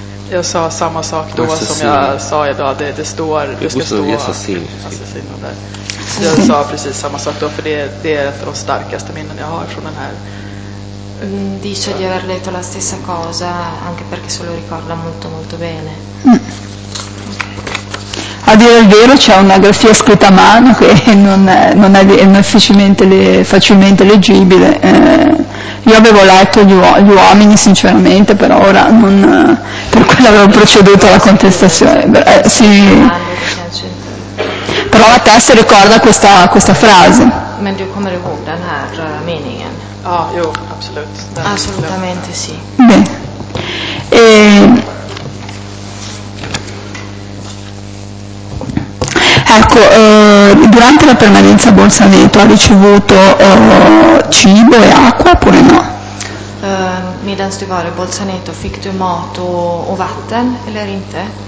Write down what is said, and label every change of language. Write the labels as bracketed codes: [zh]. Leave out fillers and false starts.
[sv] Jag sa samma sak då som jag sa idag, det står, det ska stå [it] assassino [sv] där. Så jag sa precis samma sak då, för det är ett av de starkaste minnen jag har från den här. [it] Dice di aver letto la stessa cosa anche perché se lo ricorda molto molto bene. A dire il vero c'è una grafia scritta a mano che non è facilmente leggibile. Io avevo letto gli uomini sinceramente, però ora non, per quello avevo proceduto alla contestazione. Sì. Però la testa ricorda questa frase. [sv] Men du kommer ihåg den här meningen? Jo, absolut. [it] Assolutamente sì. Bene. Ecco, durante la permanenza a Bolzaneto ha ricevuto cibo e acqua oppure no? [sv] Medan du var i Bolzaneto fick du mat och vatten eller inte?